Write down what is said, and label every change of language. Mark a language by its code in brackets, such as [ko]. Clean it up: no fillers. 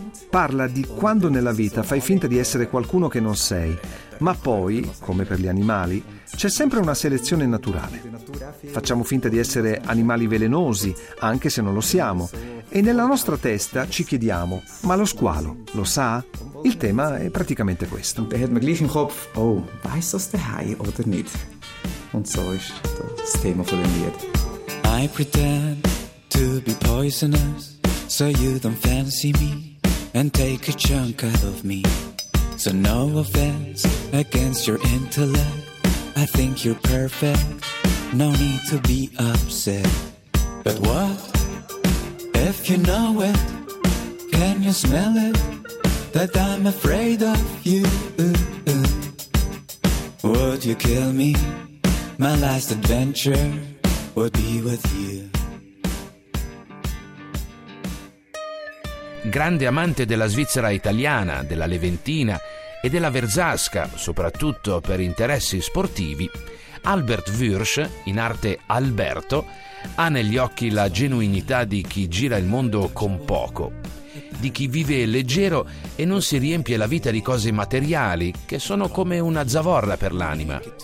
[it] Parla di quando nella vita fai finta di essere qualcuno che non sei, ma poi, come per gli animali, c'è sempre una selezione naturale. Facciamo finta di essere animali velenosi, anche se non lo siamo, e nella nostra testa ci chiediamo, ma lo squalo lo sa? Il tema è praticamente questo. [de] E hat man gleich im Kopf, oh, weiß das der Hai oder nicht? Und so ist das Thema von dem Lied. [en] I pretend to be poisonous, so you don't fancy me and take a chunk out of me. So no offense against your intellect, I think you're perfect, no need to be upset. But what if you know it? Can you smell it? That I'm afraid of you. Would you kill me? My last adventure would be with you. [it] Grande amante della Svizzera italiana, della Leventina e della Verzasca, soprattutto per interessi sportivi, Albert Würsch, in arte Alberto, ha negli occhi la genuinità di chi gira il mondo con poco, di chi vive leggero e non si riempie la vita di cose materiali che sono come una zavorra per l'anima.